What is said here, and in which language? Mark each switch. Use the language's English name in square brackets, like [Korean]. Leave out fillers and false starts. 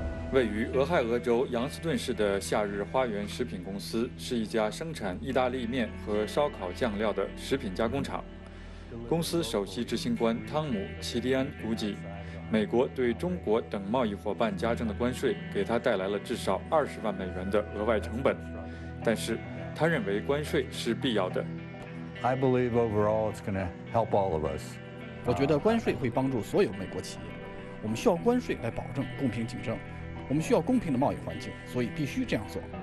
[Chinese] 位于俄亥俄州杨斯顿市的夏日花园食品公司是一家生产意大利面和烧烤酱料的食品加工厂。公司首席执行官汤姆·齐迪安估计，美国对中国等贸易伙伴加征的关税给他带来了至少$200,000的额外成本，但是他认为关税是必要的。 [English] I believe overall it's going to help all of us. [Chinese] 我觉得关税会帮助所有美国企业。我们需要关税来保证公平竞争，我们需要公平的贸易环境，所以必须这样做。